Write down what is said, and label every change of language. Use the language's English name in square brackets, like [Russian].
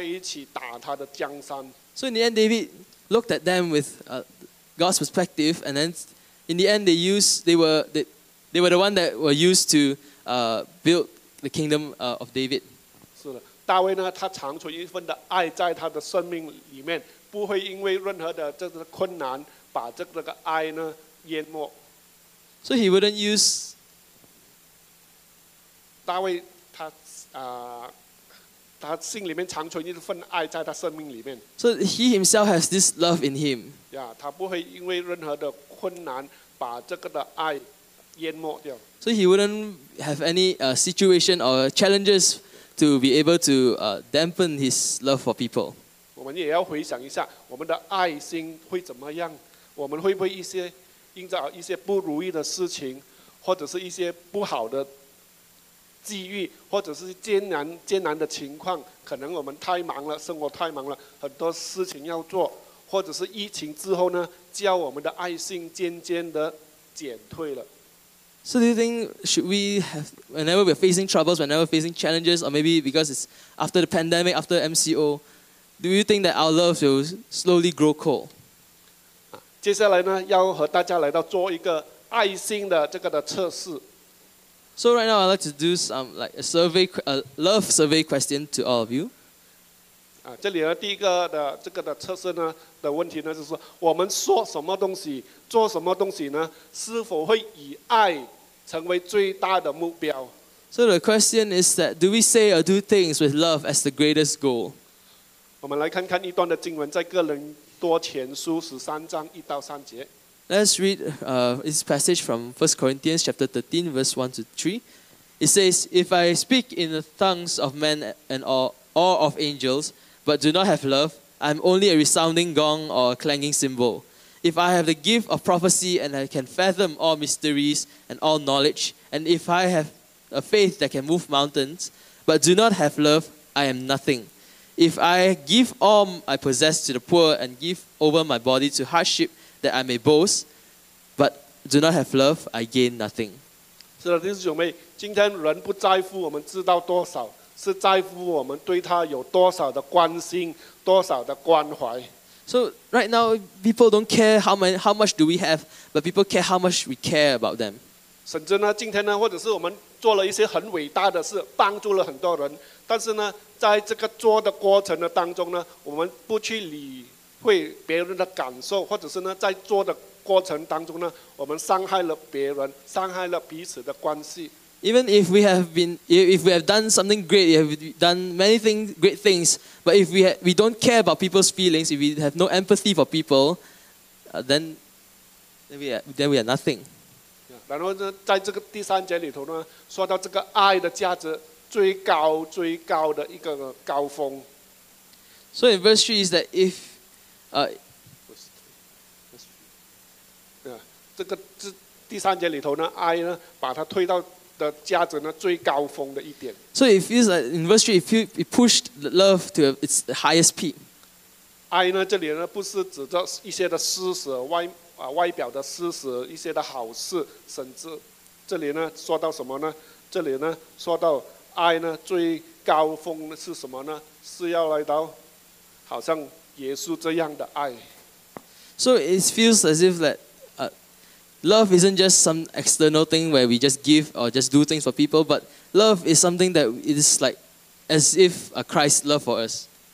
[Chinese] 所以呢，大卫有这个神的眼光去看这400人。最后呢，我们长话短说，这400人呢，最后呢是成为大卫的勇士，和大卫一起打他的江山。 So [English] in the end, David looked at them with God's perspective, and then in the end, they were the one that were used to build the kingdom of David. [Chinese] 是的，大卫呢，他长出一份的爱在他的生命里面，不会因为任何的这个困难。把这个爱呢淹没。 So [English] he wouldn't use. [Chinese] 大卫他心里面长存一份爱在他生命里面。 So [English] he himself has this love in him. [Chinese] Yeah, 他不会因为任何的困难把这个的爱淹没掉。 So [English] he wouldn't have any situation or challenges to be able to dampen his love for people. [Chinese] 我们也要回想一下，我们的爱心会怎么样？ 我们会不会一些遇到一些不如意的事情，或者是一些不好的机遇，或者是艰难的情况，可能我们太忙了，生活太忙了，很多事情要做，或者是疫情之后呢，叫我们的爱心渐渐的减退了。 [English] So do you think, should we have, whenever we're facing troubles, whenever facing challenges, or maybe because it's after the pandemic, after MCO, do you think that our love will slowly grow cold? [Chinese] 接下来呢，要和大家来到做一个爱心的这个的测试。 [English] So right now, I'd like to do some like a survey, a love survey question to all of you. [Chinese] 这里呢，第一个的这个的测试呢的问题呢，就是我们说什么东西，做什么东西呢，是否会以爱成为最大的目标。 [English] So the question is that, do we say or do things with love as the greatest goal? [Chinese] 我们来看看一段的经文，在哥林多前书13:1-3. [English] Let's read this passage from 1 Corinthians chapter 13, verse 1 to 3. It says, if I speak in the tongues of men and all of angels, but do not have love, I'm only a resounding gong or a clanging cymbal. If I have the gift of prophecy and I can fathom all mysteries and all knowledge, and if I have a faith that can move mountains, but do not have love, I am nothing. If I give all I possess to the poor and give over my body to hardship that I may boast, but do not have love, I gain nothing. [Chinese] 是的，弟兄妹，今天人不在乎我们知道多少，是在乎我们对他有多少的关心，多少的关怀。 [English] So right now, people don't care how much do we have, but people care how much we care about them. [Chinese] 甚至呢，今天呢，或者是我们做了一些很伟大的事，帮助了很多人，但是呢，在这个做的过程的当中呢，我们不去理会别人的感受，或者是呢，在做的过程当中呢，我们伤害了别人，伤害了彼此的关系。 [English] Even if we have been, if we have done something great, we have done many things, great things, but if we don't care about people's feelings, if we have no empathy for people, then we are nothing. [Chinese] 然后呢，在这个第三节里头呢，说到这个爱的价值最高的一个高峰。 [English] So in verse 3 is that if, [Chinese] 这个第三节里头呢，爱呢把它推到的价值呢最高峰的一点。 [English] So it feels like in verse 3, it pushed love to its highest peak. [Chinese] 爱呢，这里呢不是指着一些的施舍，外表的施舍，一些的好事，甚至这里呢说到什么呢？这里呢说到爱呢最高峰是什么呢？是要来到好像耶稣这样的爱。 [English] So it feels as if that. Love isn't just some external thing where we just give or just do things for people, but love is something that is like as if a Christ's love for us.